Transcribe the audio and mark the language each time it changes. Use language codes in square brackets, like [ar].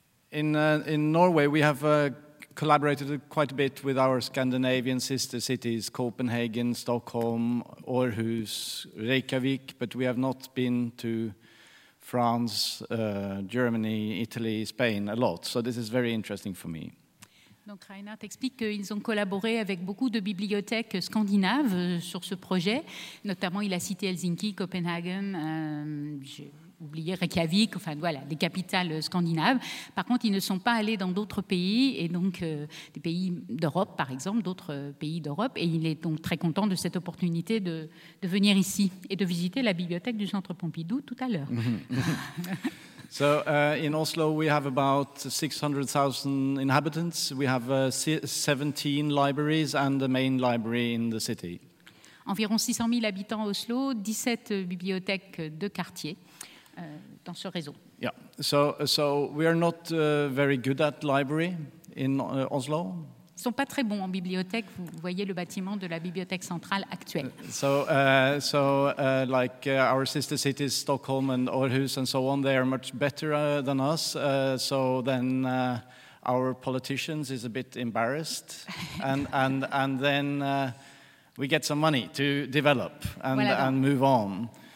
[en] In Norway, we have collaborated quite a bit with our Scandinavian sister cities, Copenhagen, Stockholm, Aarhus, Reykjavik, but we have not been to France, Germany, Italy, Spain a lot. So this is very interesting for me. [fr] Donc Reinhard explique qu'ils ont collaboré avec beaucoup de bibliothèques scandinaves sur ce projet. Notamment, il a cité Helsinki, Copenhagen, oublier Reykjavik, enfin voilà, les capitales scandinaves. Par contre, ils ne sont pas allés dans d'autres pays, et donc des pays d'Europe, par exemple, d'autres pays d'Europe, et il est donc très content de cette opportunité de venir ici et de visiter la bibliothèque du Centre Pompidou tout à l'heure. [en] So, in Oslo, we have about 600,000 inhabitants. We have 17 libraries and the main library in the city. [fr] Environ 600 000 habitants à Oslo, 17 bibliothèques de quartier. Dans ce réseau. [en] Yeah. So we are not very good at library in Oslo. [fr] Ils sont pas très bons en bibliothèque. Vous voyez le bâtiment de la bibliothèque centrale actuelle. [en] So, our sister cities, Stockholm and Aarhus and so on, they are much better than us. So then our politicians is a bit embarrassed, and then we get some money to develop and move on.